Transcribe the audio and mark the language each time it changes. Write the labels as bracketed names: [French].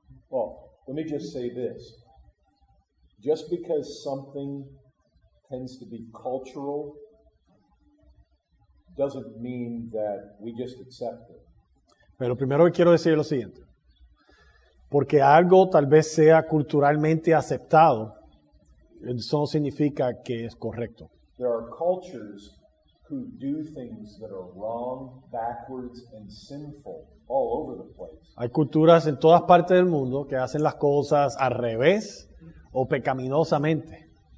[English] Well, let me just say this. Just because something tends to be cultural doesn't mean that we just accept it. [Spanish] Pero primero quiero decir lo siguiente. Porque algo tal vez sea culturalmente aceptado, eso no significa que es correcto. [English] There are cultures who do things that are wrong, backwards, and sinful all over the place. [Spanish] Hay culturas en todas partes del mundo que hacen las cosas al revés o pecaminosamente.